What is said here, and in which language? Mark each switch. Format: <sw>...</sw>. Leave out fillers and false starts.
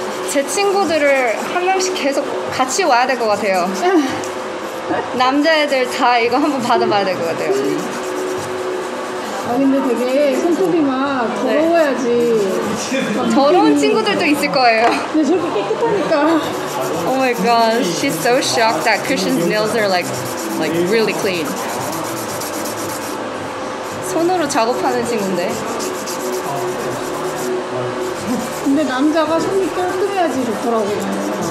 <ko>제 친구들을 한 명씩 계속 같이 와야 될 것 같아요. 남자애들 다 이거 한번 받아봐야 될 것 같아요. 아 근데 되게 손톱이 막 더러워야지. 네. 더러운 친구들도 있을 거예요. 근데 저렇게 깨끗하니까.</ko> <en>Oh my god, she's so shocked that Christian's nails are like really clean.</en> <ko>손으로 작업하는 친구인데. 근데 남자가 손이 깨끗해야지 좋더라고요.</ko>